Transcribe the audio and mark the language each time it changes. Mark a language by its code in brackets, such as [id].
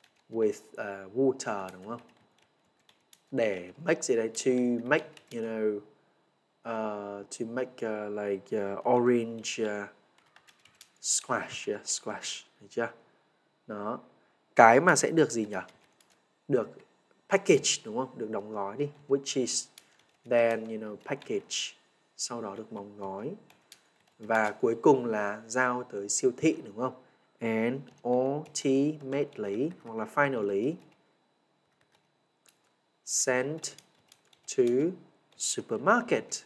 [en] With water [vi] đúng không? Để make gì đây? [en] To make, you know, to make like orange squash, yeah, squash, [vi] được chưa? Đó. Cái mà sẽ được gì nhỉ? Được package đúng không? Được đóng gói đi. [en] Which is then, you know, package. [vi] Sau đó được đóng gói. Và cuối cùng là giao tới siêu thị đúng không? [en] And ultimately, [vi] hoặc là [en] finally, sent to supermarket.